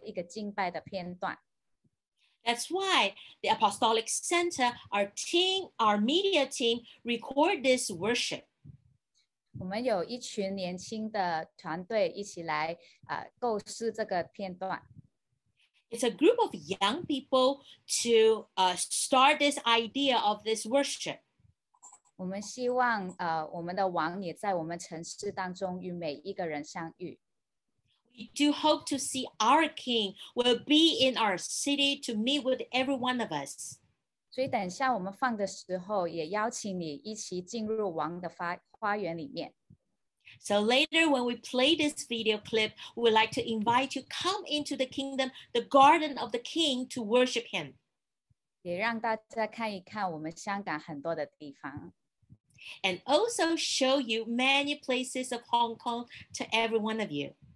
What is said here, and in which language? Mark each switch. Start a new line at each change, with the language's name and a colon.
Chinese: 所以呢，我们使徒中心的媒体的群组也拍了一个敬拜的片段。
English: That's why the Apostolic Center, our team, our media team, record this worship.
Chinese: 我们有一群年轻的团队一起来构思这个片段。
English: It's a group of young people to start this idea of this worship.
Chinese: 我们希望, 我们的王也在我们城市当中与每一个人相遇。
English: We do hope to see our king will be in our city to meet with every one of us.
Chinese: 所以等一下我们放的时候，也邀请你一起进入王的花园里面。
English: So later when we play this video clip, we would like to invite you come into the kingdom, the garden of the king, to worship him.
Chinese: 也让大家看一看我们香港很多的地方。
English: And also show you many places of Hong Kong to every one of you.